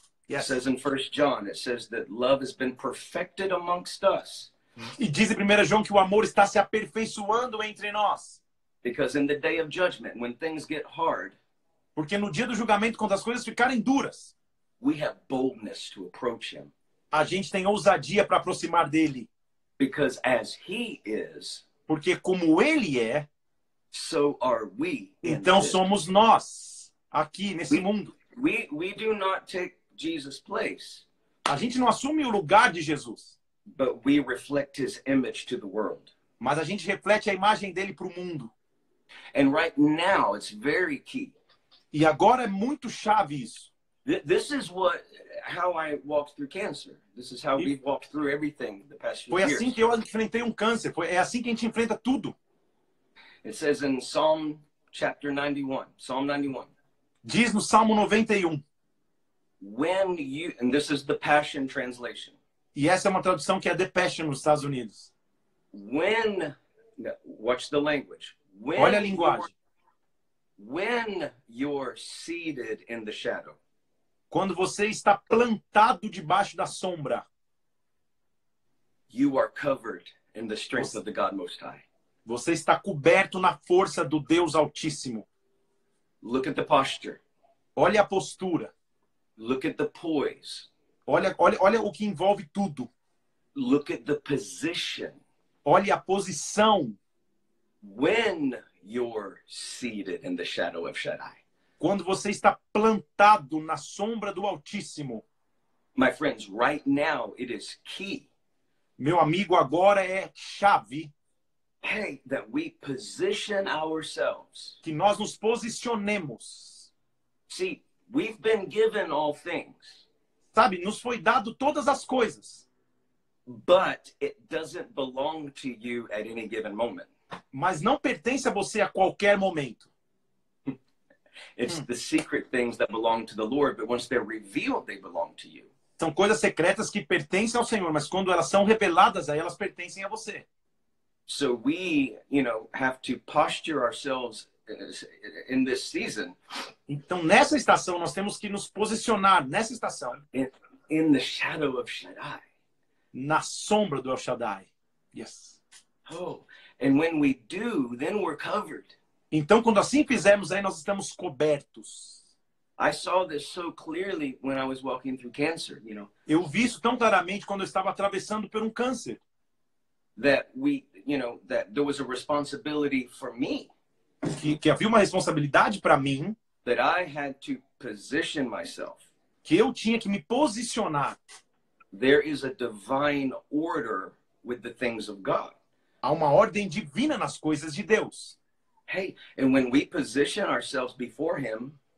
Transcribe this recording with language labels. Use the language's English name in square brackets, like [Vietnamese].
[English] Yes. It says in 1 John, it says that love has been perfected amongst us. [Portuguese] E diz em 1 João que o amor está se aperfeiçoando entre nós. [English] Because in the day of judgment, when things get hard. [Portuguese] Porque no dia do julgamento, quando as coisas ficarem duras, [English] we have boldness to approach him. [Portuguese] A gente tem ousadia para aproximar dele. [English] Because as he is, [Portuguese] porque como ele é, [English] so are we. [Portuguese] Então somos nós aqui nesse mundo. [English] We do not take Jesus' place. [Portuguese] A gente não assume o lugar de Jesus. [English] But we reflect his image to the world. [Portuguese] Mas a gente reflete a imagem dele para o mundo. [English] And right now it's very key. [Portuguese] E agora é muito chave isso. [English] This is what how I walked through cancer. This is how we walked through everything the past few [Portuguese] years. Foi assim que eu enfrentei câncer. É assim que a gente enfrenta tudo. [English] It says in Psalm chapter 91. Psalm 91. [Portuguese] Diz no Salmo 91. [English] When you, and this is the Passion translation. [Portuguese] E essa é uma tradução que é The Passion nos Estados Unidos. [English] When, watch the language. When [Portuguese] olha a linguagem. [English] When you're seated in the shadow. [Portuguese] Quando você está plantado debaixo da sombra. [English] You are covered in the strength of the God Most High. [Portuguese] Você está coberto na força do Deus Altíssimo. [English] Look at the posture. [Portuguese] Olha a postura. [English] Look at the poise. [Portuguese] Olha o que envolve tudo. [English] Look at the position. [Portuguese] Olha a posição. [English] When you're seated in the shadow of Shaddai. [Portuguese] Quando você está plantado na sombra do Altíssimo. [English] My friends, right now it is key. [Portuguese] Meu amigo, agora é chave. [English] Hey, that we position ourselves. [Portuguese] Que nós nos posicionemos. [English] See, we've been given all things. [Portuguese] Sabe, nos foi dado todas as coisas. [English] But it doesn't belong to you at any given moment. [Portuguese] Mas não pertence a você a qualquer momento. [English] It's the secret things that belong to the Lord, but once they're revealed, they belong to you. [Portuguese] São coisas secretas que pertencem ao Senhor, mas quando elas são reveladas, aí elas pertencem a você. [English] So we, you know, have to posture ourselves in this season. [Portuguese] Então nessa estação nós temos que nos posicionar nessa estação. [English] In the shadow of Shaddai. [Portuguese] Na sombra do El Shaddai. Yes. [English] Oh, and when we do, then we're covered. [Portuguese] Então, quando assim fizermos, aí nós estamos cobertos. [English] I saw this so clearly when I was walking through cancer, you know. [Portuguese] Eu vi isso tão claramente quando eu estava atravessando por câncer. [English] That we, you know, that there was a responsibility for me. [Portuguese] Que havia uma responsabilidade para mim. [English] That I had to position myself. [Portuguese] Que eu tinha que me posicionar. [English] There is a divine order with the things of God. [Portuguese] Há uma ordem divina nas coisas de Deus. [English] Hey, and when we position ourselves before him,